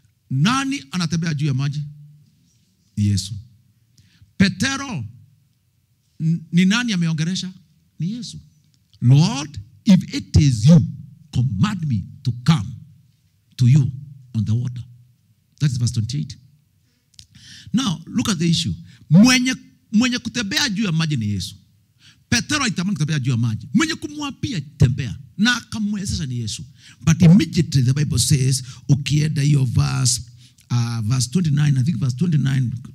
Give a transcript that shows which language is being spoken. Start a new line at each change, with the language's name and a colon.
Swahili: Nani anatembea juu ya maji? Yesu. Petero, ni nani ameongeresha? Ni Yesu.
English: Lord, if it is you, command me to come to you on the water. That is verse 28. Now, look at the issue.
Swahili: Mwenye kutembea juu ya maji ni Yesu. Petero alitamani kutembea juu ya maji. Mwenye kumwambia tembea. Na akamwezesha ni Yesu.
English: But immediately the Bible says,
Swahili: ukienda hiyo
English: verse 29, I think verse 29.